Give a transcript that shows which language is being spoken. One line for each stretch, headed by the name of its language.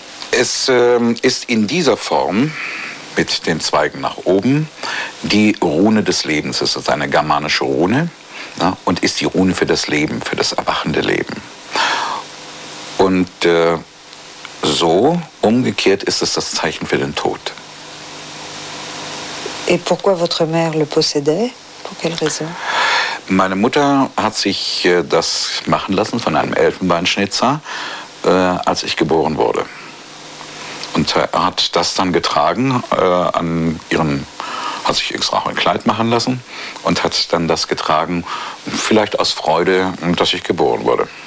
German: Es ist in dieser Form mit den Zweigen nach oben die Rune des Lebens. Es ist eine germanische Rune, ja, und ist die Rune für das Leben, für das erwachende Leben. Und so umgekehrt ist es das Zeichen für den Tod.
French: Et pourquoi votre mère le possédait? Pour quelle raison?
German: Meine Mutter hat sich das machen lassen von einem Elfenbeinschnitzer, als ich geboren wurde. Und hat das dann getragen an ihrem, hat sich extra auch ein Kleid machen lassen und hat dann das getragen, vielleicht aus Freude, dass ich geboren wurde.